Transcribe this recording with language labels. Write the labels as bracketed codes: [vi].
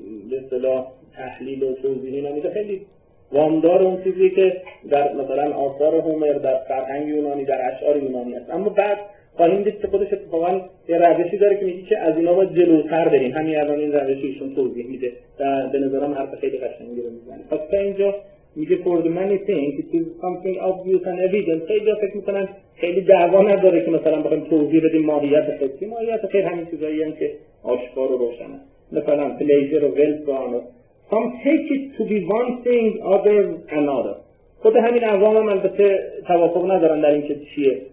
[fa] به اصطلاح تحلیل و توضیح اینا میده خیلی وامدار اون چیزی که در مثلا آثار هومر در فرهنگ یونانی در اشعار یونانی است اما بعد خواهیم دید که خودش اتفاقا یه روشی داره که میگه که از اینا باید جلوتر بریم همین الان این روشی ایشون توضیح میده و به نظرم حرف خیلی قشنگی رو میزنه پس تا اینجا میگه [en] for the many things it is something obvious and evident. [fa] خیلی ها فکر میکنن خیلی دعوا نداره که مثلا بخواییم توضیح بدیم ماهیت خیلی. ماهیت خیلی همین چیزایی هم که آشکار و روشن هست. [en] مثلا pleasure و well-being. Some take it to be one thing, others another. [fa] خود همین عوام هم البته توافق ندارن در این که چیه.